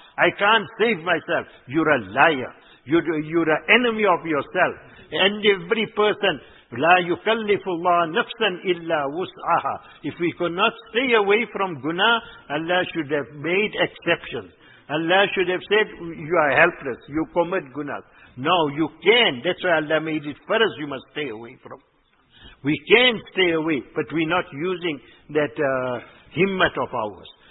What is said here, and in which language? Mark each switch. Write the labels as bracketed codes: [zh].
[en] I can't save myself. You're a liar. You're an enemy of yourself. And every person, [ar] لا يكلف الله نفسا إلا وسعها. [en] If we could not stay away from guna, Allah should have made exceptions. Allah should have said, you are helpless, you commit guna. No, you can. That's why Allah made it for us, you must stay away from. We can stay away, but we're not using that himmat of ours.